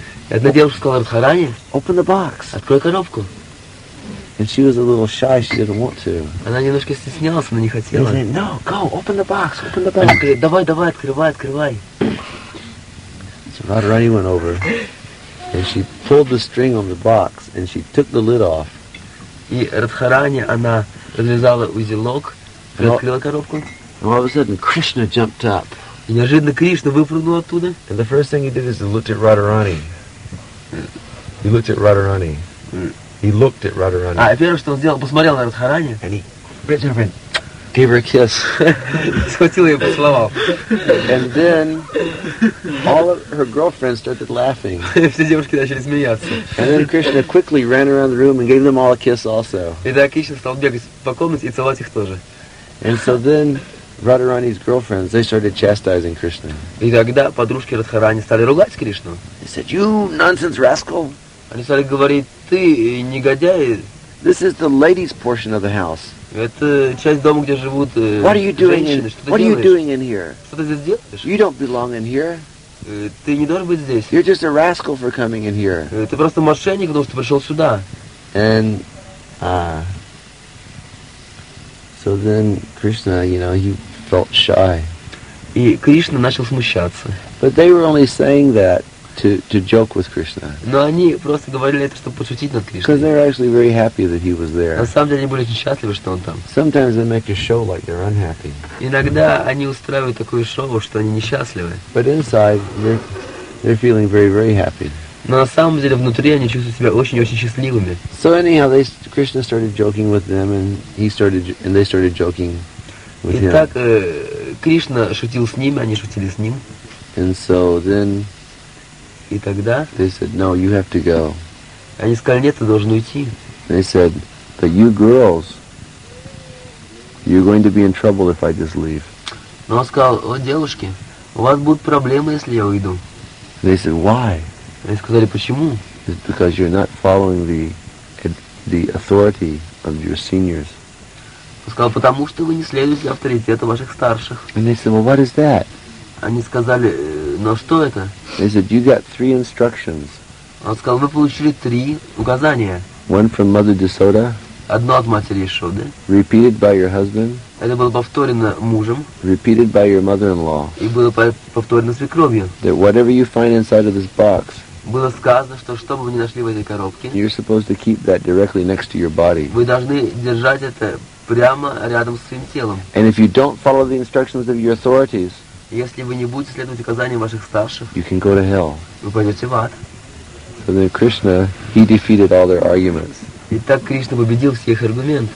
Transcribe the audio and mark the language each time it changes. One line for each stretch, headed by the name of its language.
Russian: Одна девушка сказала Радхарани,
English: "Open the box."
Russian: Открой коробку.
English: And she was a little shy. She didn't want to.
Russian: Она немножко стеснялась, она не хотела.
English: And she said, "No, go, open the box, open the box."
Russian: Она говорит, "Давай, давай, открывай, открывай."
English: So Radharani went over, and she pulled the string on the box, and she took the lid off.
Russian: И Радхарани она развязала узелок, открыла коробку.
English: And all of a sudden, Krishna jumped up.
Russian: И неожиданно Кришна выпрыгнул оттуда.
English: And the first thing he did is he looked at Radharani. He looked at Radharani. He looked at Radharani.
Russian: А первое, что он сделал, посмотрел на Радхарани.
English: And he bit her and gave her a kiss.
Russian: Схватил ее, поцеловал.
English: And then all of her girlfriends started laughing.
Russian: Все девушки начали смеяться.
English: And then Krishna quickly ran around the room and gave them all a kiss also.
Russian: И тогда Кришна стал бегать по комнате и целовать их тоже.
English: And so then Radharani's girlfriends, they started chastising Krishna.
Russian: И тогда подружки Радхарани стали ругать Кришну.
English: They said, "You nonsense rascal."
Russian: Они стали говорить, ты негодяй.
English: This is the ladies' portion of the house.
Russian: Это часть дома, где живут
English: what are you doing
Russian: женщины.
English: In, what are you doing in here?
Russian: Что ты здесь делаешь?
English: You don't belong in here.
Russian: Ты не должен быть здесь.
English: You're just a rascal for coming in here.
Russian: Ты просто мошенник, потому что пришел сюда.
English: And so then Krishna, you know, he felt shy.
Russian: И Кришна начал смущаться.
English: But they were only saying that to joke with Krishna.
Russian: Но они просто говорили это, чтобы пошутить над Кришной.
English: Because they're actually very happy that he was there.
Russian: На самом деле они были очень счастливы, что он там.
English: Sometimes they make a show like they're unhappy.
Russian: Иногда они устраивают такое шоу, что они несчастливы.
English: But inside they're feeling very very happy.
Russian: Но на самом деле внутри они чувствуют себя очень-очень счастливыми.
English: So anyhow, Krishna started joking with them, and they started joking with him.
Russian: Итак, Кришна шутил с ними, они шутили с ним.
English: And so then.
Russian: И тогда
English: they said, no, you have to go.
Russian: Они сказали, нет, ты должен уйти.
English: They said, but you girls, you're going to be in trouble if I just leave.
Russian: Но он сказал, о, девушки, у вас будут проблемы, если я уйду.
English: They said, why?
Russian: Они сказали, почему?
English: It's because you're not following the authority of your seniors.
Russian: Он сказал, потому что вы не следуете авторитету ваших старших.
English: And they said, well, what is that?
Russian: Они сказали, но что это?
English: They said, you got three instructions.
Russian: Он сказал, вы получили три указания.
English: One from Mother Desoda.
Russian: Одно от матери Ясоды.
English: Repeated by your husband.
Russian: Это было повторено мужем.
English: Repeated by your mother-in-law.
Russian: И было повторено свекровью.
English: That whatever you find inside of this box.
Russian: Было сказано, что бы вы ни нашли в этой коробке.
English: You're supposed to keep that directly next to your body.
Russian: Вы должны держать это прямо рядом с своим телом.
English: And if you don't follow the instructions of your authorities.
Russian: Если вы не будете следовать указаниям ваших старших,
English: you can go to hell.
Russian: Вы пойдете в ад.
English: So then Krishna, he defeated all their arguments.
Russian: И так Кришна победил все их аргументы.